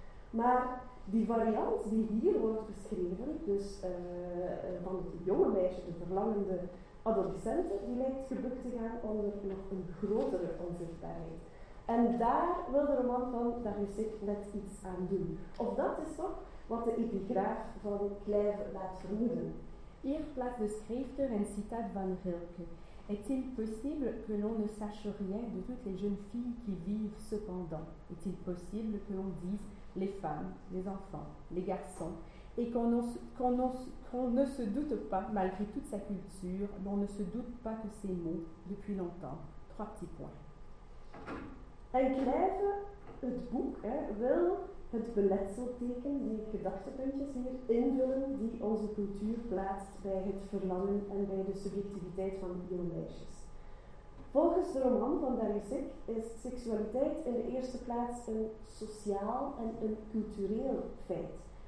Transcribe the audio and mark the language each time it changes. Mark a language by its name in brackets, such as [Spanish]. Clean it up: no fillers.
[Dutch] Maar die variant die hier wordt beschreven, dus van het jonge meisje, de verlangende adolescenten, die lijkt gebukt te gaan onder nog een grotere onzichtbaarheid. En daar wil de roman van Darussic net iets aan doen. Of dat is toch wat de epigraaf van Clive laat vermoeden. Hier plaatst de schrijfster een citaat van Rilke. [French] Est-il possible que l'on ne sache rien de toutes les jeunes filles qui vivent cependant? Est-il possible que l'on dise les femmes, les enfants, les garçons, et qu'on ne se doute pas, malgré toute sa culture, l'on ne se doute pas que ces mots, depuis longtemps. Trois petits points. [Dutch] En Clive, het boek, hè, wil het beletselteken, die gedachtepuntjes hier, invullen die onze cultuur plaatst bij het verlangen en bij de subjectiviteit van jonge meisjes. Volgens de roman van Darussic is seksualiteit in de eerste plaats een sociaal en een cultureel feit.